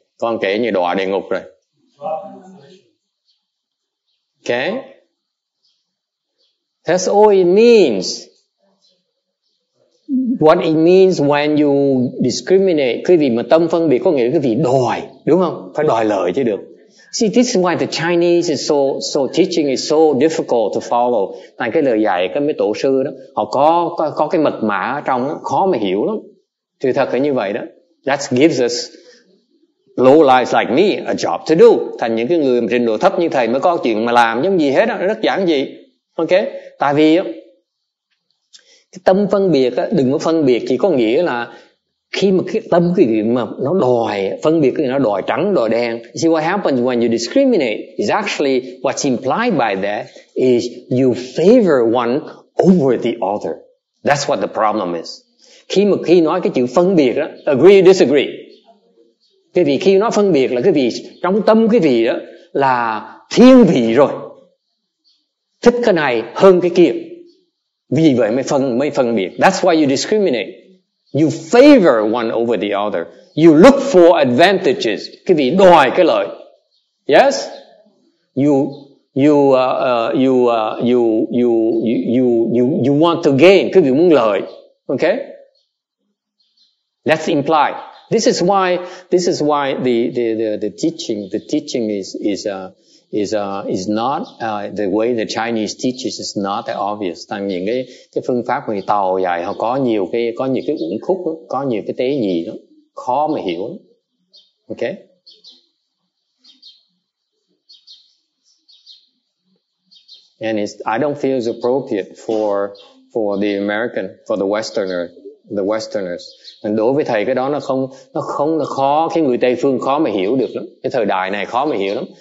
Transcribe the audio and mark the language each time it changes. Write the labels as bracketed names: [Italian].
[Vietnamese] Con kể như đọa địa ngục rồi. [English] Okay? That's all it means. What it means when you discriminate, [Vietnamese] quý vị mà tâm phân biệt có nghĩa là quý vị đòi, đúng không? Phải đòi lợi chứ được. [English] See, this is why the Chinese is so teaching is so difficult to follow. [Vietnamese] Tại cái lời dạy các mấy tổ sư đó, họ có cái mật mã ở trong đó, khó mà hiểu lắm. Thì thật là như vậy đó. [English] That gives us low lives like me a job to do. [Vietnamese] Thành những cái người mà trình độ thấp như thầy mới có chuyện mà làm giống gì hết đó, rất giản dị. Ok? Tại vì cái tâm phân biệt á, đừng có phân biệt chỉ có nghĩa là khi mà cái tâm cái gì mà nó đòi phân biệt thì nó đòi trắng đòi đen. [English] See what happens when you discriminate is actually what's implied by that is you favor one over the other. That's what the problem is. [Vietnamese] Khi nói cái chữ phân biệt đó, [English] agree or disagree. [Vietnamese] Cái vì khi nó phân biệt là cái vì trong tâm cái vị đó là thiên vị rồi, thích cái này hơn cái kia, vì vậy mới phân biệt. [English] That's why you discriminate. You favor one over the other. You look for advantages. [Vietnamese] Cái vị đòi cái lợi. [English] Yes? You want to gain. [Vietnamese] Cái vị muốn lợi. [English] Okay? That's implied. This is why the teaching is not the way the Chinese teaches is not that obvious. [Vietnamese] Thành những cái phương pháp người Tàu dạy họ có nhiều cái uẩn khúc, có nhiều cái tế nhị đó, khó mà hiểu. [English] Ok. And it's, I don't feel it's appropriate for the Westerners. [Vietnamese] And đối với thầy cái đó nó không nó khó, cái người Tây phương khó mà hiểu được lắm. Cái thời đại này khó mà hiểu lắm.